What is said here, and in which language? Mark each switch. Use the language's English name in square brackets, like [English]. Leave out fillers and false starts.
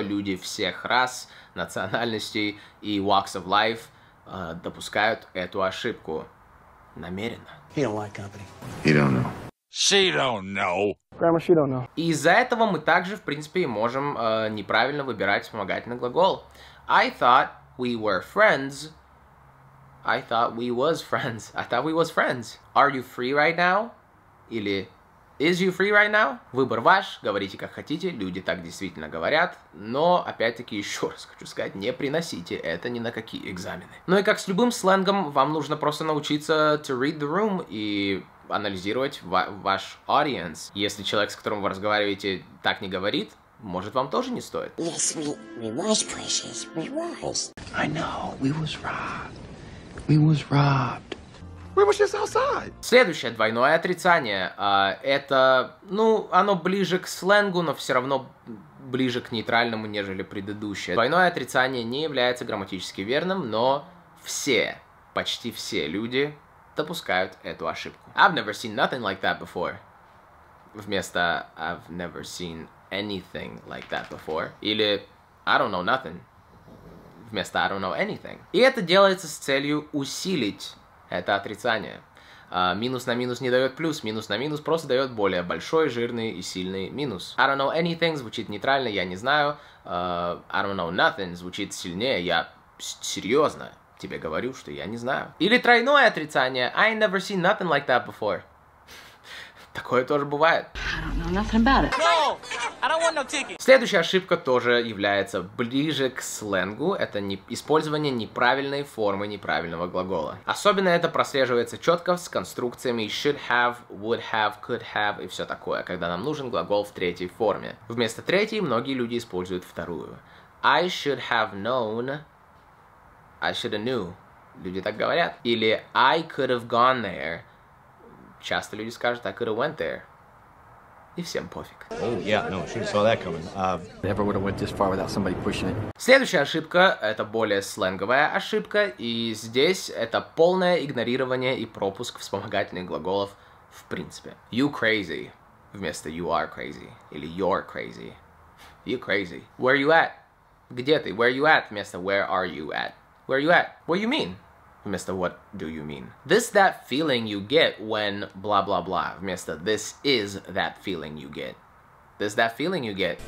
[Russian] Люди всех рас, национальностей и [English] walks of life [Russian] допускают эту ошибку. Намеренно. [English] He don't like company. He don't know. She don't know. Grandma, she don't know. [Russian] И из-за этого мы также, в принципе, можем неправильно выбирать вспомогательный глагол. [English] I thought we were friends. I thought we was friends. I thought we was friends. Are you free right now? [Russian] Или [English] is you free right now? [Russian] Выбор ваш, говорите как хотите, люди так действительно говорят, но, опять-таки, еще раз хочу сказать, не приносите это ни на какие экзамены. Ну и как с любым сленгом, вам нужно просто научиться [English] to read the room [Russian] и анализировать ваш audience. Если человек, с которым вы разговариваете, так не говорит, может, вам тоже не стоит. [English] Yes, we was precious, we was. I know, we was robbed. We was robbed. We was just outside. [Russian] Следующее двойное отрицание. Это, ну, оно ближе к сленгу, но все равно ближе к нейтральному, нежели предыдущее. Двойное отрицание не является грамматически верным, но все, почти все люди допускают эту ошибку. [English] I've never seen nothing like that before. [Russian] Вместо [English] I've never seen anything like that before. [Russian] Или [English] I don't know nothing. [Russian] Вместо [English] I don't know anything. [Russian] И это делается с целью усилить это отрицание. Минус на минус не дает плюс, минус на минус просто дает более большой, жирный и сильный минус. [English] I don't know anything [Russian] звучит нейтрально, я не знаю. [English] I don't know nothing [Russian] звучит сильнее, я серьезно тебе говорю, что я не знаю. Или тройное отрицание. [English] I ain't never seen nothing like that before. [Russian] Такое тоже бывает. [English] I don't know nothing about it. No! I don't want no ticket. [Russian] Следующая ошибка тоже является ближе к сленгу. Это использование неправильной формы неправильного глагола. Особенно это прослеживается четко с конструкциями should have, would have, could have и все такое, когда нам нужен глагол в третьей форме. Вместо третьей многие люди используют вторую. [English] I should have known. I should have knew. [Russian] Люди так говорят. Или [English] I could have gone there. [Russian] Часто люди скажут [English] I could have went there. [Russian] И всем пофиг. Следующая ошибка, это более сленговая ошибка, и здесь это полное игнорирование и пропуск вспомогательных глаголов в принципе. [English] You crazy [Russian] вместо [English] you are crazy [Russian] или [English] you're crazy. You crazy. Where you at? [Russian] Где ты? [English] Where you at вместо where are you at? Where you at? What you mean? [Russian] Вместо [English] what do you mean? This that feeling you get when blah blah blah. [Russian] Вместо [English] this is that feeling you get. This that feeling you get.